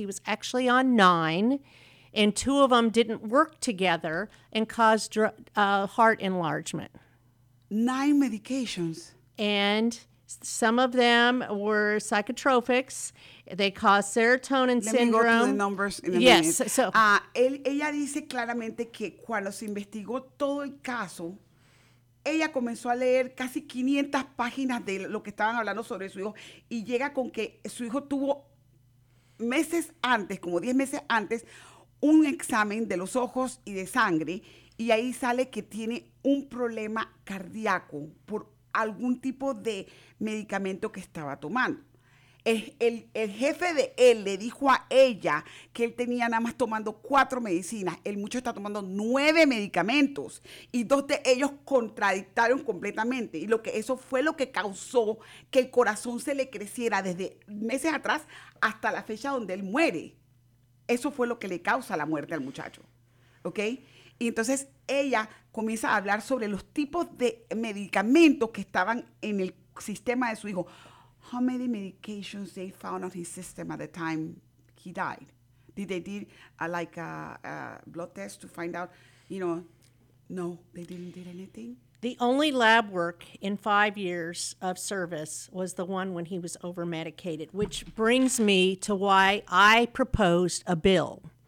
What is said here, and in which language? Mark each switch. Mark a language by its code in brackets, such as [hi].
[en] He was actually on 9, and 2 of them didn't work together and caused heart enlargement. 9 medications. And some of them were psychotropics. They cause serotonin syndrome. Let me go to the numbers in a minute. Yes. [es] So, ella dice claramente que cuando se investigó todo el caso, ella comenzó a leer casi 500 páginas de lo que estaban hablando sobre su hijo y llega con que su hijo tuvo meses antes, como 10 meses antes, un examen de los ojos y de sangre y ahí sale que tiene un problema cardíaco por algún tipo de medicamento que estaba tomando. El jefe de él le dijo a ella que él tenía nada más tomando 4 medicinas. El muchacho está tomando 9 medicamentos y 2 de ellos contradictaron completamente. Y lo que eso fue lo que causó que el corazón se le creciera desde meses atrás hasta la fecha donde él muere. Eso fue lo que le causa la muerte al muchacho. ¿Ok? Y entonces ella comienza a hablar sobre los tipos de medicamentos que estaban en el sistema de su hijo. [en] How many medications they found on his system at the time he died? Did they did a blood test to find out, you know? No, they didn't do anything. The only lab work in 5 years of service was the one when he was over-medicated, which brings me to why I proposed a bill.